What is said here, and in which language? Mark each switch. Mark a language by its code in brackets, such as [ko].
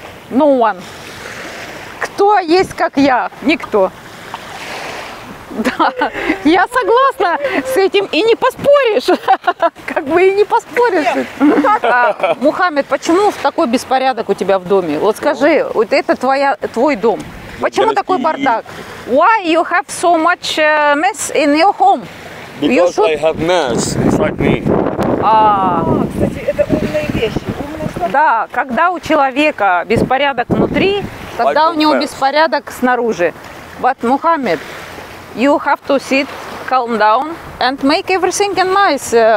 [en] No one. [ru] Кто есть как я? Никто. Да, я согласна с этим и не поспоришь. Как бы и не поспоришь. Мухаммед, почему такой беспорядок у тебя в доме? Вот скажи, вот это твой дом. Почему такой бардак? [en] Why you have so much mess in your home? Because should... I have mess, it's like me. [ru] Кстати, это умные вещи. Умные слова. Да, когда у человека беспорядок внутри, тогда у него беспорядок снаружи. [en] But Muhammad, you have to sit, calm down and make everything nice.